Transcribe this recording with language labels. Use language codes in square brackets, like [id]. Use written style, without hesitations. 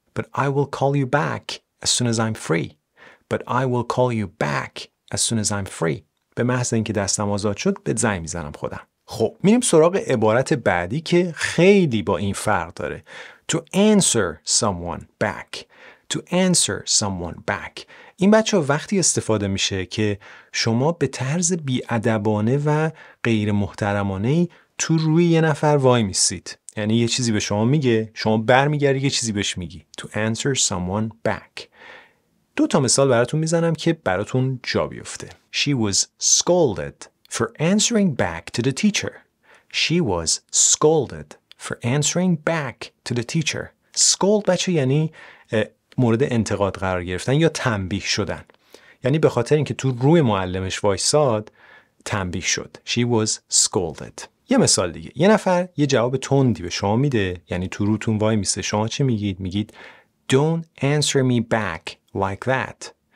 [en] But I will call you back as soon as I'm free. But I will call you back as soon as I'm free. [fa] به محض اینکه دستم آزاد شد بهت زنگ میزنم خودم. خب میریم سراغ عبارت بعدی که خیلی با این فرق داره. [en] To answer someone back. To answer someone back. [fa] این بچه ها وقتی استفاده میشه که شما به طرز بی‌ادبانه و غیر محترمانه تو روی یه نفر وای میسید. یعنی یه چیزی به شما میگه، شما برمیگردی یه چیزی بهش میگی. [en] To answer someone back. [fa] دو تا مثال براتون میزنم که براتون جا بیفته. [en] She was scolded for answering back to the teacher. She was scolded for answering back to the teacher. [fa] Scold بچه یعنی مورد انتقاد قرار گرفتن یا تنبیه شدن. یعنی به خاطر اینکه تو روی معلمش وایساد تنبیه شد. [en] She was scolded. [fa] یه مثال دیگه. یه نفر یه جواب تندی به شما میده، یعنی تو روتون وای میسه، شما چی میگید؟ میگید [en] Don't answer me back like that.